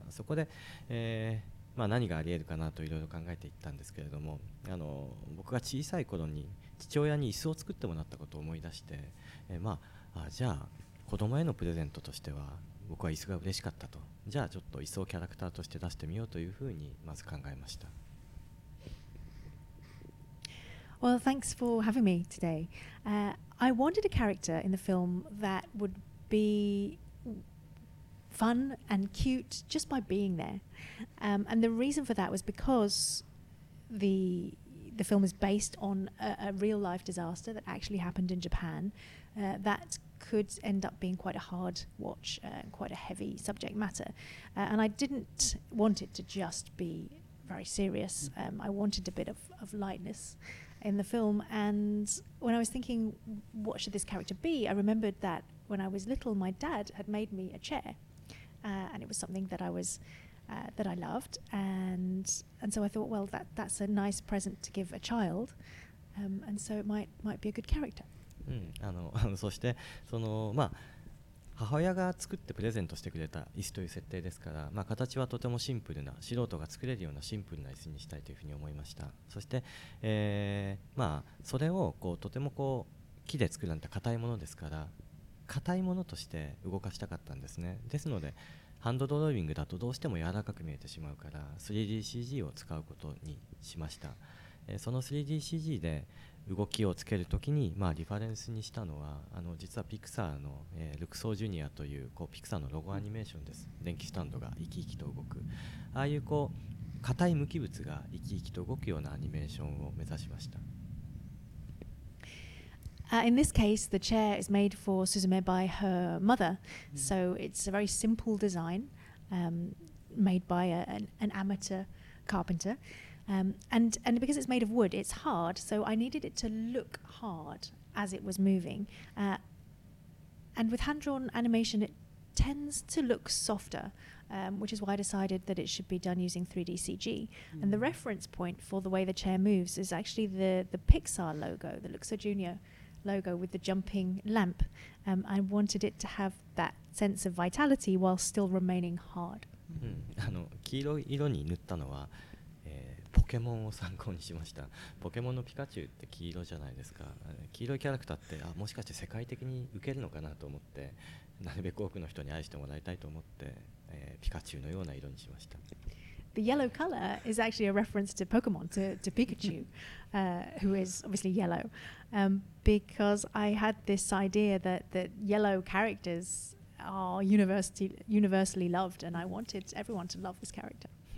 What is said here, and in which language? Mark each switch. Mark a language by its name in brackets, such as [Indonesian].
[Japanese] そこで、まあ、何があり得るかなといろいろ考えていったんですけれども僕が小さい頃に父親に椅子を作ってもらったことを思い出して、まあ、じゃあ子供へのプレゼントとしては僕は椅子が嬉しかったとじゃあちょっと椅子をキャラクターとして出してみようというふうにまず考えました。 [English] Well, thanks for having me today. I wanted a character in the film that would be fun and cute just by being there. And the reason for that was because the film is based on a real life disaster that actually happened in Japan that could end up being quite a hard watch, quite a heavy subject matter. And I didn't want it to just be very serious. I wanted a bit of lightness in the film. And when I was thinking, what should this character be? I remembered that when I was little, my dad had made me a chair. And it was something that I loved, and so I thought, well, that's a nice present to give a child, and so it might be a good character. [Japanese] そしてまあ母親が作ってプレゼントしてくれた椅子という設定ですから、まあ、形はとてもシンプルな素人が作れるようなシンプルな椅子にしたいというふうに思いました。そして、まあそれをこうとてもこう木で作られた硬いものですから。硬いものとして動かしたかったんですね。ですのでハンドドローイングだとどうしても柔らかく見えてしまうから 3DCG を使うことにしました。その 3DCG で動きをつけるときに、まあ、リファレンスにしたのは実はピクサーの、ルクソージュニアとい こうピクサーのロゴアニメーションです。電気スタンドが生き生きと動くああいうこう硬い無機物が生き生きと動くようなアニメーションを目指しました。 [English] In this case, the chair is made for Suzume by her mother. So it's a very simple design made by an amateur carpenter. And because it's made of wood, it's hard. So I needed it to look hard as it was moving. And with hand-drawn animation, it tends to look softer, which is why I decided that it should be done using 3DCG. And the reference point for the way the chair moves is actually the Pixar logo, the Luxor Jr. logo with the jumping lamp. I wanted it to have that sense of vitality while still remaining hard. [Japanese] 黄色い色に塗ったのは、ポケモンを参考にしました。ポケモンのピカチュウって黄色じゃないですか。黄色いキャラクターってもしかして世界的に受けるのかなと思ってなるべく多くの人に愛してもらいたいと思って、ピカチュウのような色にしました。 [English] The yellow color is actually a reference to Pokemon, to Pikachu, who is obviously yellow, because I had this idea that yellow characters are universally loved, and I wanted everyone to love this character.